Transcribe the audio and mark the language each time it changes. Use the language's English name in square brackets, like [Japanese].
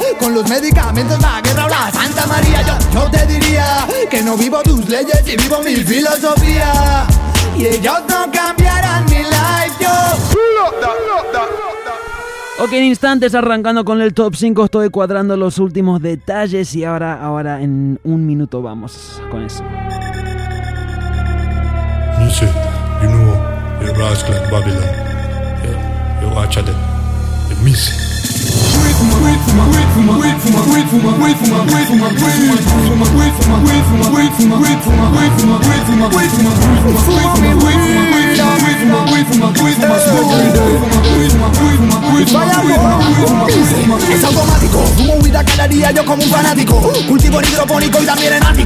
[Spanish] Con los medicamentos, la guerra o la Santa María. Yo te diría que no vivo tus leyes y vivo mi filosofía. Y ellos no cambiarán mi life. Yo Ok, en instantes arrancando con el top 5. Estoy cuadrando los últimos detalles. Y ahora en un minuto vamos con eso. [English] Music, you know, you're a rascal in Babylon. You watch out, the music. [Spanish] Es automático, fumo vida cada día yo como un fanático. Cultivo en hidropónico y también en ático.